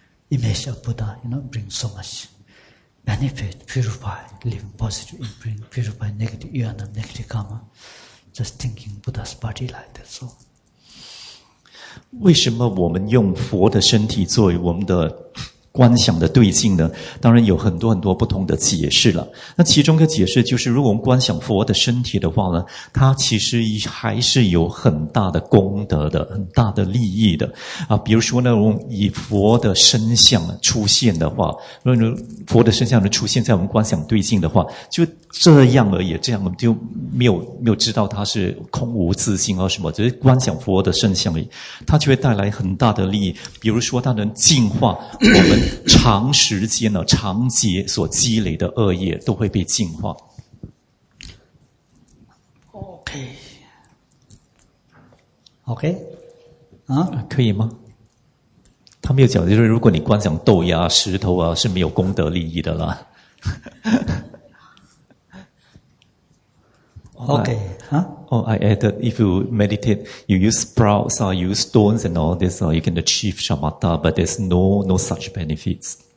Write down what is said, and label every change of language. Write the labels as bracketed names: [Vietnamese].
[English] Image of Buddha, you know, brings so much benefit, purify, living positive, bring purify negative, you know, negative karma. Just thinking Buddha's body like that. So, [Chinese] 为什么我们用佛的身体作为我们的观想的对境呢？当然有很多很多不同的解释了。那其中一个解释就是，如果我们观想佛的身体的话呢，它其实还是有很大的功德的，很大的利益的啊。比如说呢，我们以佛的身相出现的话，如果佛的身相出现在我们观想对境的话，就这样而已，这样就没有知道它是空无自性啊什么，只是观想佛的身相而已，它就会带来很大的利益。比如说，它能净化我们长时间呢、长劫所积累的恶业，都会被净化。 [English] OK， 啊， [Chinese] 可以吗？他没有讲，就是如果你观想豆芽、石头啊，是没有功德利益的啦。 [English] Okay, huh? Oh, I added, if you meditate, you use sprouts, you use stones and all this, you can achieve shamatha, but there's no such benefits.